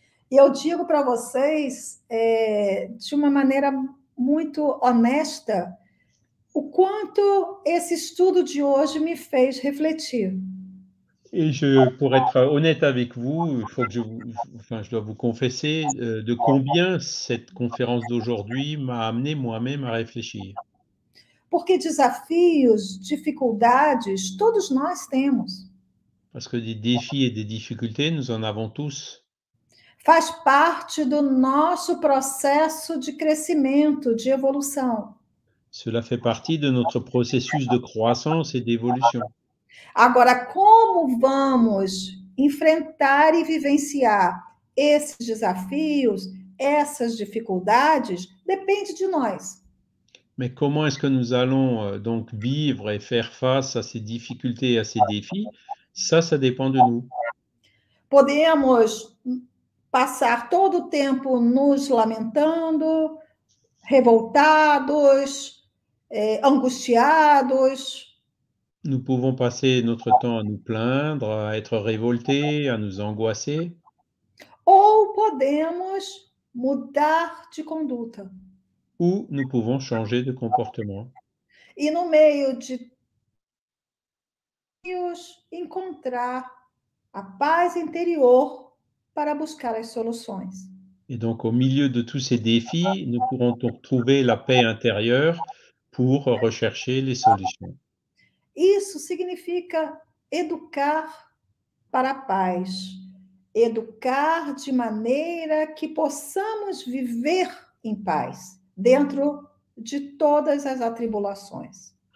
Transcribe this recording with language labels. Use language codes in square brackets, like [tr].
[pt] E eu digo para vocês, de uma maneira muito honesta, o quanto esse estudo de hoje me fez refletir. [fr] Et je, pour être honnête avec vous, il faut que enfin, je dois vous confesser de combien cette conférence d'aujourd'hui m'a amené moi-même à réfléchir. [pt] Porque desafios, dificuldades, todos nós temos. [fr] Parce que des défis et des difficultés, nous en avons tous. [pt] Faz parte do nosso processo de crescimento, de evolução. [fr] Cela fait partie de notre processus de croissance et d'évolution. [pt] Agora, como vamos enfrentar e vivenciar esses desafios, essas dificuldades, depende de nós. [fr] Mais comment est-ce que nous allons donc vivre et faire face à ces difficultés et à ces défis? Ça dépend de nous. [pt] Podemos passar todo o tempo nos lamentando, revoltados, angustiados. [fr] Nous pouvons passer notre temps à nous plaindre, à être révoltés, à nous angoisser. [pt] Ou podemos mudar de conduta. [fr] Ou nous pouvons changer de comportement. [pt] E no meio de encontrar a paz interior para buscar as soluções. [fr] Et donc, au milieu de tous ces défis, nous pourrons donc trouver la paix intérieure pour rechercher les solutions. [pt] Isso significa educar para a paz, educar de maneira que possamos viver em paz dentro de todas as atribulações.